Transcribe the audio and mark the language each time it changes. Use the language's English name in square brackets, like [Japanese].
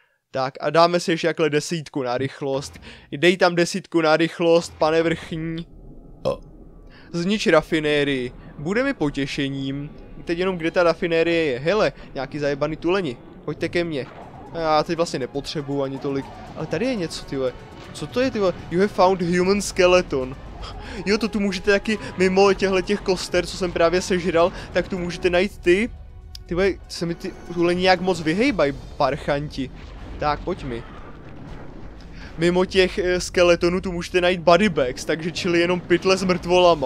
[Czech] Tak a dáme si ještě jakhle 10 na rychlost. Dej tam 10 na rychlost, pane vrchní. Znič rafinérii. Bude mi potěšením. Teď jenom kde ta rafinérie je. Hele, nějaký zajebaný tuleni. Pojďte ke mně. Já teď vlastně nepotřebuju ani tolik. Ale tady je něco, tyhle. Co to je, tyhle? [English] You have found human skeleton. [Czech] Jo, to tu můžete taky mimo těch koster, co jsem právě sežral, tak tu můžete najít ty. Tyhle, se mi ty tuleni nějak moc vyhejbaj, parchanti. Tak, pojď mi. Mimo těch skeletonů tu můžete najít body bags, takže čili jenom pytle s mrtvolama.